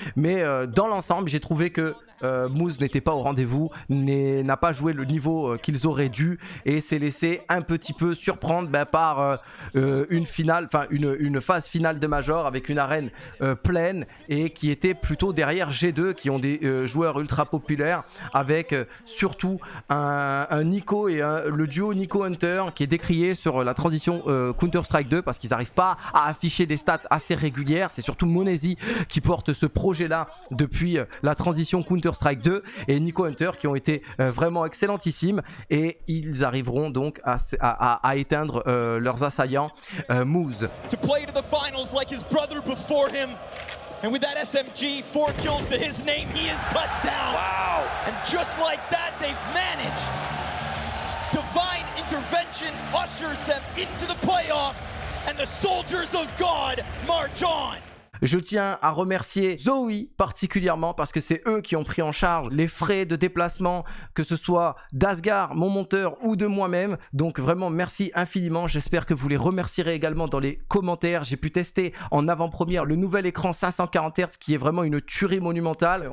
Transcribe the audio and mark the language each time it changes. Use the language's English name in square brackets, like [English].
[French] Mais dans l'ensemble, j'ai trouvé que Mousse n'était pas au rendez-vous, n'a pas joué le niveau qu'ils auraient dû et s'est laissé un petit peu surprendre par une finale, enfin une phase finale de Major avec une arène pleine et qui était plutôt derrière G2 qui ont des joueurs ultra populaires avec surtout un Nico et le duo Nico Hunter qui est décrié sur la transition Counter-Strike 2 parce qu'ils n'arrivent pas à afficher des stats assez régulières. C'est surtout Monesi qui porte ce projet là depuis la transition Counter-Strike 2 et Nico Hunter qui ont été vraiment excellentissimes et ils arriveront donc à éteindre leurs assaillants Mousse. [English] To play to the finals like his brother before him. And with that SMG, 4 kills to his name, he is cut down. Wow. And just like that, they've managed. Divine intervention ushers them into the playoffs and the soldiers of God march on. [French] Je tiens à remercier Zoe particulièrement parce que c'est eux qui ont pris en charge les frais de déplacement, que ce soit d'Asgard, mon monteur, ou de moi-même. Donc vraiment, merci infiniment. J'espère que vous les remercierez également dans les commentaires. J'ai pu tester en avant-première le nouvel écran 540 Hz qui est vraiment une tuerie monumentale.